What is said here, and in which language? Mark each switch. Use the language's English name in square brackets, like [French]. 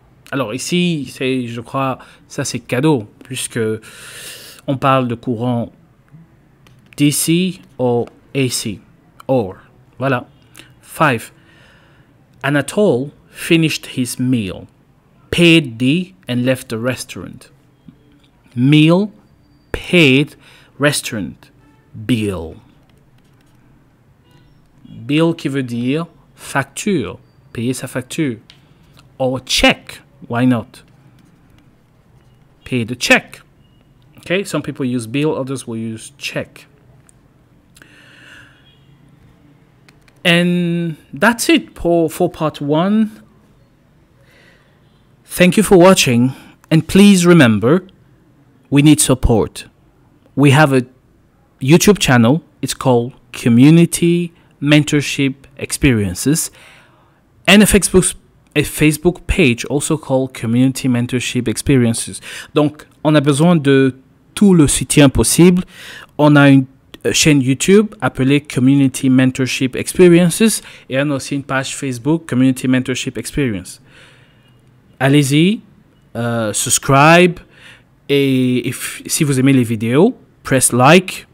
[French] Alors ici, c'est, je crois, ça c'est cadeau, puisque on parle de courant DC ou AC. Or. Voilà. 5. [English] Anatole finished his meal, paid the, and left the restaurant. Meal, paid, restaurant, bill. [French] Bill qui veut dire facture, payer sa facture. [English] Or check, why not? Pay the check. Okay, some people use bill, others will use check. And that's it for part one. Thank you for watching. And please remember, we need support. We have a YouTube channel. It's called Community Mentorship Experiences. And a Facebook page also called Community Mentorship Experiences. [French] Donc, on a besoin de tout le soutien possible. On a une chaîne YouTube appelée Community Mentorship Experiences et on a aussi une page Facebook Community Mentorship Experience. Allez-y, subscribe et si vous aimez les vidéos, [English] press like.